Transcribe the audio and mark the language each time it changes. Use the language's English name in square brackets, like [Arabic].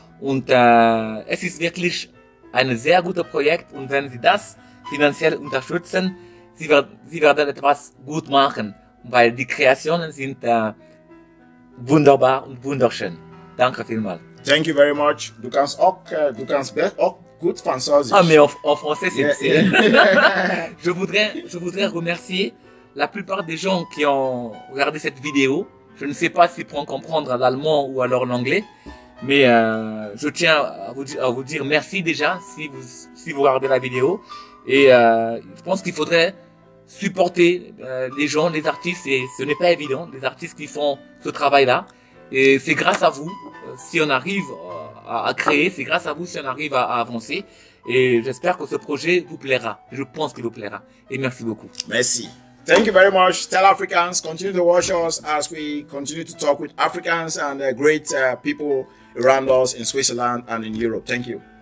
[German] Und es ist wirklich ein sehr gutes Projekt. Und wenn Sie das finanziell unterstützen, Sie werden etwas gut machen, weil die Kreationen sind wunderbar und wunderschön. Danke vielmals. [English] Thank you very much. [German] Du kannst auch gut Französisch. [French] Ah, mais en français, c'est bien. Je voudrais remercier la plupart des gens qui ont regardé cette vidéo. Je ne sais pas s'ils pourront comprendre l'allemand ou alors l'anglais, mais je tiens à vous dire merci déjà si vous regardez la vidéo. Et je pense qu'il faudrait supporter les gens, les artistes, et ce n'est pas évident, les artistes qui font ce travail-là. Et c'est grâce à vous, si on arrive à créer, c'est grâce à vous si on arrive à avancer. Et j'espère que ce projet vous plaira. Je pense qu'il vous plaira. Et merci beaucoup. Merci. [English] Thank you very much, Tell Africans. Continue to watch us as we continue to talk with Africans and great people around us in Switzerland and in Europe. Thank you.